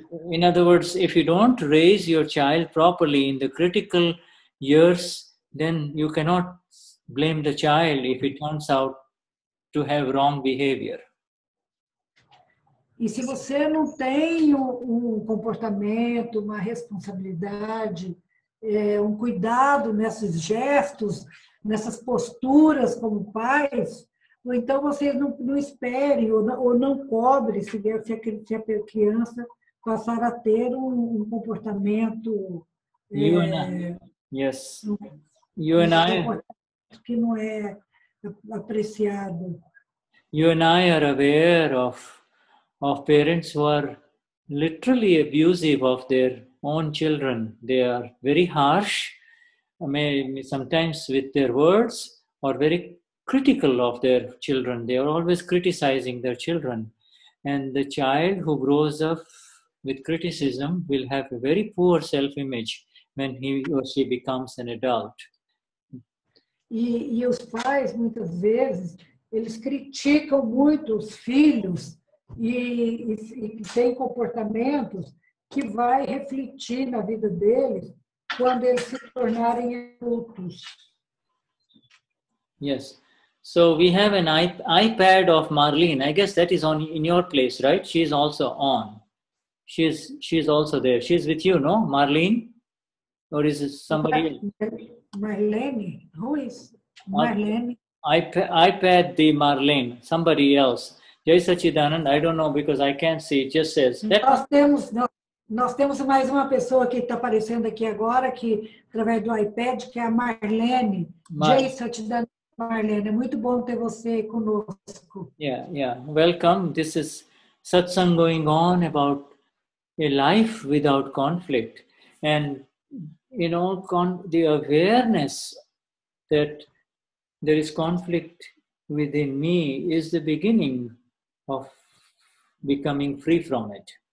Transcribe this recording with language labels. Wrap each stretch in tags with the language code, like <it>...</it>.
<en>In other words, if you don't raise your child properly in the critical years, then you cannot blame the child if it turns out to have wrong behavior.</en> <pt>E se você não tem um comportamento, uma responsabilidade um cuidado nesses gestos, nessas posturas como pais, ou então vocês não esperem ou não cobrem se a criança passar a ter um comportamento... Que não é apreciado.</pt> <en>You and I are aware of parents who are literally abusive of their own children. They are very harsh, maybe sometimes with their words, or very critical of their children. They are always criticizing their children. And the child who grows up with criticism will have a very poor self-image when he or she becomes an adult.</en> <pt>E os pais, muitas vezes, eles criticam muito os filhos e têm comportamentos que vai refletir na vida deles quando eles se tornarem adultos.</pt> <en>Yes. So we have an iPad of Marlene. I guess that is on in your place, right? She is also on. She is also there. She is with you, no? Marlene? Or is it somebody else? Marlene, who is Marlene? iPad the Marlene, somebody else. Jai Sachidanand, I don't know because I can't see, it just says.</en> <pt>Nós temos mais uma pessoa que está aparecendo aqui agora, que através do iPad, que é a Marlene. Jai Sachidanand, Marlene, é muito bom ter você conosco.</pt> <en>Yeah, welcome. This is Satsang going on about a life without conflict. And the awareness that there is conflict within me is the beginning of becoming free from it.</en>